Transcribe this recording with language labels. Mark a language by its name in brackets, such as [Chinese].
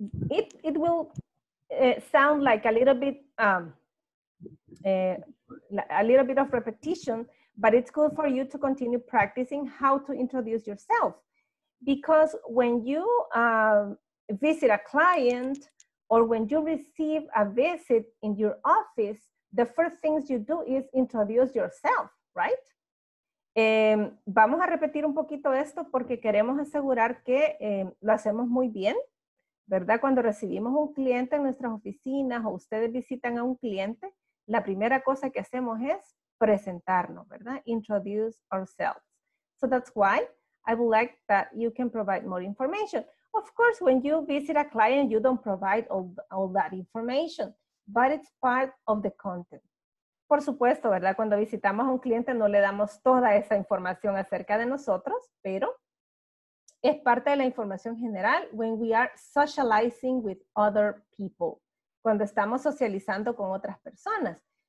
[English] It will sound like a little bit of repetition, but it's good for you to continue practicing how to introduce yourself. Because when you visit a client or when you receive a visit in your office, the first things you do is introduce yourself, right? [Spanish] Vamos a repetir un poquito esto porque queremos asegurar que lo hacemos muy bien, ¿verdad? Cuando recibimos un cliente en nuestras oficinas o ustedes visitan a un cliente, la primera cosa que hacemos es presentarnos, ¿verdad? [English] Introduce ourselves. So that's why I would like that you can provide more information. Of course, when you visit a client, you don't provide all that information, but it's part of the content. [Spanish] Por supuesto, ¿verdad? Cuando visitamos a un cliente no le damos toda esa información acerca de nosotros, pero es parte de la información general [English] when we are socializing with other people, [Spanish] cuando estamos socializando con otras personas.